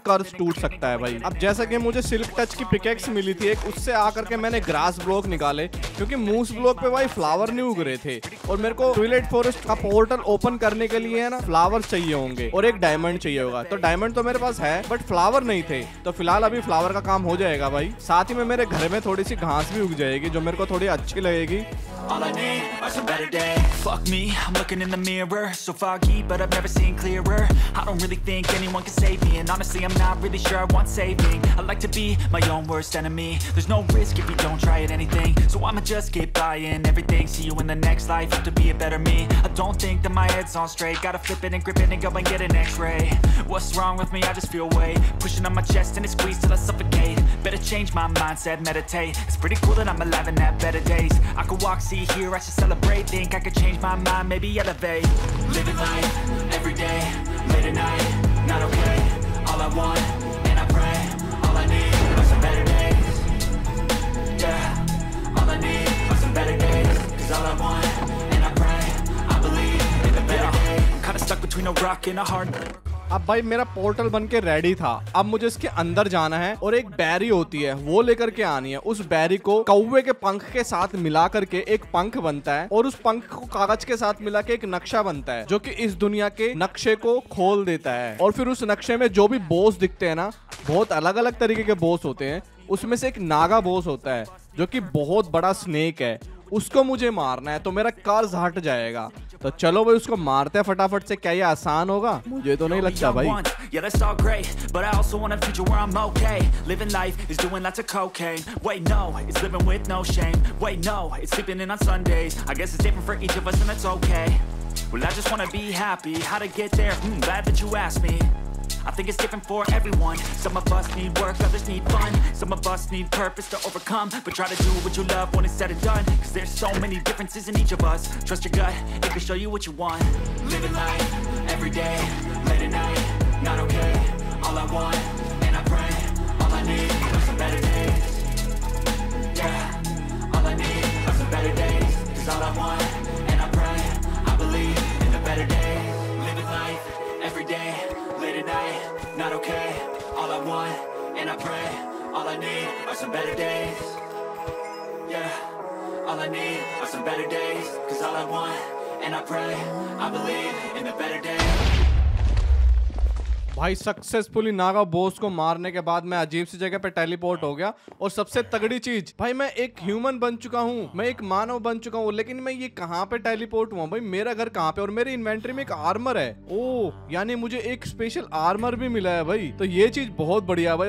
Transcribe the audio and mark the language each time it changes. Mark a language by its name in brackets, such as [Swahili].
[Hindi] कर्ज टूट सकता है भाई। अब जैसा कि मुझे सिल्क टच की पिकेक्स मिली थी एक, उससे आकर के मैंने ग्रास ब्लॉक निकाले क्योंकि मूस ब्लॉक पे भाई फ्लावर नहीं उग रहे थे और मेरे को ट्विलाइट फॉरेस्ट का पोर्टल ओपन करने के लिए है ना फ्लावर चाहिए होंगे और एक डायमंड चाहिए होगा। तो डायमंड तो मेरे पास है बट फ्लावर नहीं थे, तो फिलहाल अभी फ्लावर का काम हो जाएगा भाई। साथ ही में मेरे घर में थोड़ी सी घास भी उग जाएगी जो मेरे को थोड़ी अच्छी लगेगी। [English] All I need are some better days. Fuck me, I'm looking in the mirror. So foggy, but I've never seen clearer. I don't really think anyone can save me. And honestly, I'm not really sure I want saving. I like to be my own worst enemy. There's no risk if you don't try at anything. So I'ma just keep buying everything. See you in the next life, have to be a better me. I don't think that my head's on straight. Gotta flip it and grip it and go and get an x-ray. What's wrong with me? I just feel weight pushing on my chest and it squeezes till I suffocate. Better change my mindset, meditate. It's pretty cool that I'm alive and have better days. I could walk, see here, I should celebrate. Think I could change my mind, maybe elevate. Living life, every day, late at night, not okay. All I want, and I pray, all I need are some better days. Yeah, all I need are some better days. Cause all I want, and I pray, I believe in the better day. I'm kinda stuck between a rock and a hard... [Hindi] अब भाई मेरा portal बन के ready था, अब मुझे इसके अंदर जाना है और एक बैरी होती है वो लेकर के आनी है। उस बैरी को कौवे के पंख के साथ मिला करके एक पंख बनता है और उस पंख को कागज के साथ मिला के एक नक्शा बनता है जो कि इस दुनिया के नक्शे को खोल देता है। और फिर उस नक्शे में जो भी बॉस दिखते हैं ना, बहुत अलग अलग तरीके के बॉस होते हैं, उसमें से एक नागा बॉस होता है जो कि बहुत बड़ा स्नेक है, उसको मुझे मारना है तो मेरा कर्ज हट जाएगा। तो चलो भाई उसको मारते हैं फटाफट से, क्या ये आसान होगा? मुझे तो नहीं लगता भाई। [English] Yeah, that's all great, but I also want a future where I'm okay. Living life is doing lots of cocaine. Wait, no, it's living with no shame. Wait, no, it's sleeping in on Sundays. I guess it's different for each of us and it's okay. Well, I just want to be happy. How to get there? Glad that you asked me. I think it's different for everyone. Some of us need work, others need fun. Some of us need purpose to overcome. But try to do what you love when it's said and done. Cause there's so many differences in each of us. Trust your gut, it can show you what you want. Living life, every day, late at night. Not okay, all I want, and I pray. All I need are some better days. Yeah, all I need are some better days. Cause all I want, and I pray, I believe in a better day. Living life, every day, late at night. Not okay, all I want, and I pray. All I need are some better days. Yeah, all I need are some better days. Cause all I want, and I pray, I believe in a better day. [Hindi] भाई successfully Naga boss को मारने के बाद मैं अजीब सी जगह पे teleport हो गया। और सबसे तगड़ी चीज भाई, मैं एक ह्यूमन बन चुका हूँ, मैं एक मानव बन चुका हूँ, लेकिन मैं ये कहाँ पे टेलीपोर्ट हुआ भाई? मेरा घर कहाँ पे? और मेरी इन्वेंटरी में एक आर्मर है। ओ यानी मुझे एक स्पेशल आर्मर भी मिला है भाई, तो ये चीज बहुत बढ़िया भाई।